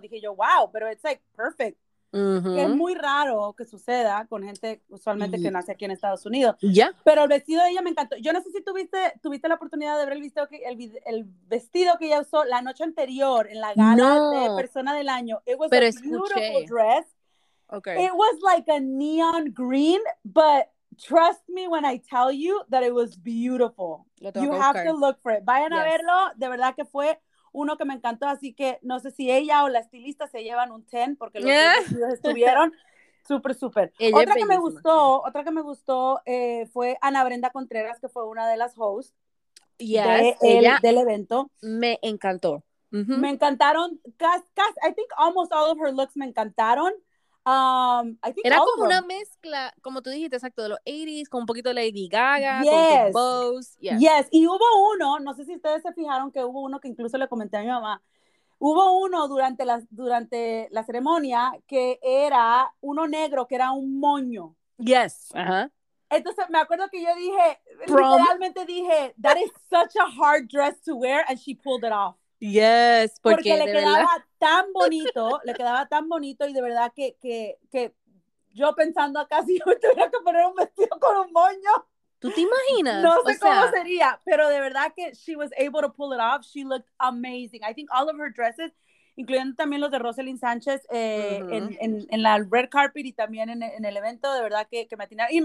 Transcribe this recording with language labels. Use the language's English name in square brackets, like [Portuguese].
[Spanish] Dije yo, wow, pero [English] it's like perfect. Uh-huh. [Spanish] Es muy raro que suceda con gente usualmente que nace aquí en Estados Unidos. [English] Yeah. [Spanish] Pero el vestido de ella me encantó. Yo no sé si tuviste la oportunidad de ver el vestido que ella usó la noche anterior en la gala de Persona del Año. [English] It was [Spanish] pero [English] a beautiful dress. Okay. It was like a neon green, but trust me when I tell you that it was beautiful. You have to look for it. [Spanish] Vayan a verlo. De verdad que fue uno que me encantó, así que no sé si ella o la estilista se llevan un 10, porque los vestidos estuvieron súper, súper. Otra que me gustó fue Ana Brenda Contreras, que fue una de las hosts del evento. Me encantó. Uh-huh. Me encantaron, [English] I think almost all of her looks [Spanish] me encantaron. [English] I think [Spanish] era [English] also. [Spanish] Como una mezcla, como tú dijiste, exacto, de los 80s, con un poquito de Lady Gaga, [English] yes. [Spanish] Con Bose. Yes. Y hubo uno, no sé si ustedes se fijaron, que hubo uno que incluso le comenté a mi mamá, hubo uno durante la ceremonia que era uno negro, que era un moño. [English] Yes. [Spanish] Entonces me acuerdo que yo dije, literalmente dije, [English] that is such a hard dress to wear, and she pulled it off. Yes, [Spanish] porque le quedaba tan bonito, le quedaba tan bonito, y de verdad que yo pensando acá, si yo tuviera que poner un vestido con un moño. ¿Tú te imaginas? No sé, o sea, cómo sería, pero de verdad que [English] she was able to pull it off. She looked amazing. I think all of her dresses, [Spanish] incluyendo también los de Roselyn Sánchez, en la red carpet y también en el evento, de verdad que me atinaron.